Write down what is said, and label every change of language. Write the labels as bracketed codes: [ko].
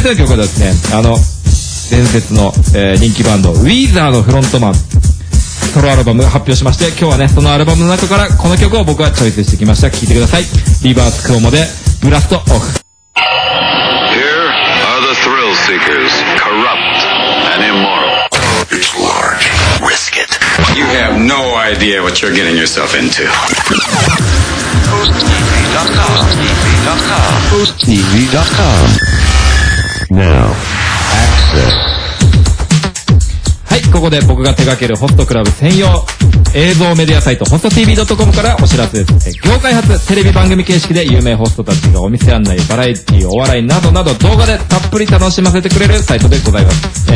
[ja] 続いての曲はですね、伝説の、人気バンドウィーザーのフロントマンソロアルバム発表しまして、今日はねそのアルバムの中からこの曲を僕はチョイスしてきました。聴いてください、リバースクロモでブラストオフ。 [en] Here are the thrill seekers, corrupt and immoral. It's large. Risk it. You have no idea what you're getting yourself into. [ja] HostTV.com Nowはい、ここで僕が手掛けるホストクラブ専用映像メディアサイト、ホスト TV.com からお知らせです。業界初テレビ番組形式で有名ホストたちがお店案内、バラエティ、お笑いなどなど動画でたっぷり楽しませてくれるサイトでございます。